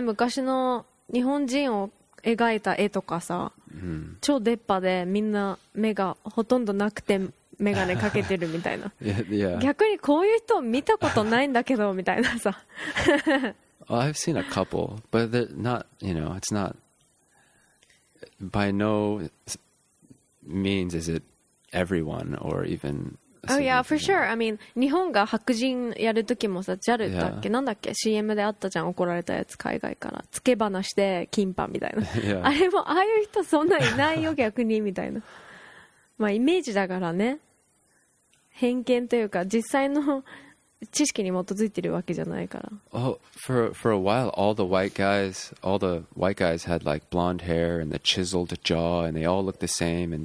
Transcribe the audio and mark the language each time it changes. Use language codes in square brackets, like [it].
[ja] 昔の日本人を描いた絵とかさ、超出っ歯でみんな目がほとんどなくて眼鏡かけてるみたいな。 [en] Yeah, yeah. [ja] 逆にこういう人見たことないんだけどみたいなさ。 [en] Well, I've seen a couple, but they're not, you know, it's not, by no means is it everyone or even... Oh yeah, for sure. I mean, [ja] 日本が白人やるときもさ、JAL だっけ、なんだっけ、CM であったじゃん、怒られたやつ、海外から。つけ話で、金パみたいな。 [en] Yeah. [ja] あれも、ああいう人そんなにないよ、逆に、みたいな。まあ、イメージだからね。偏見というか、実際の知識に基づいてるわけじゃないから。 [en] Oh, for a while, all the white guys had like blonde hair and the chiseled jaw and they all looked the same and